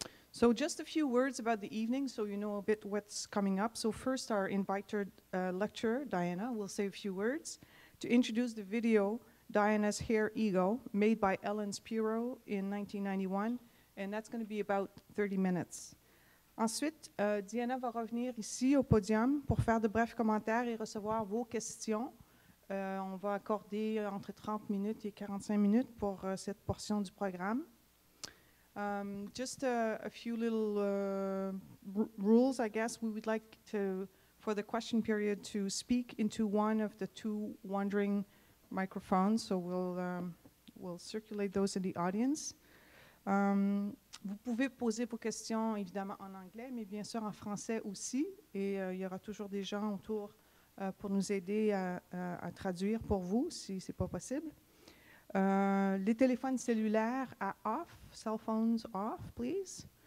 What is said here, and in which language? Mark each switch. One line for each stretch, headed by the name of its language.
English: So just a few words about the evening so you know a bit what's coming up. So first our invited lecturer, Diana, will say a few words to introduce the video Diana's Hair Ego, made by Ellen Spiro in 1991, and that's going to be about 30 minutes.
French: Ensuite, Diana va revenir ici au podium pour faire de brefs commentaires et recevoir vos questions. On va accorder entre 30 minutes et 45 minutes pour cette portion du programme.
English: Just a few little rules, I guess. We would like to, for the question period, to speak into one of the two wandering microphones, so we'll circulate those in the audience.
French: Vous pouvez poser vos questions évidemment en anglais, mais bien sûr en français aussi. Et il y aura toujours des gens autour pour nous aider à traduire pour vous si c'est pas possible. Les téléphones cellulaires à off,
English: cell phones off, please.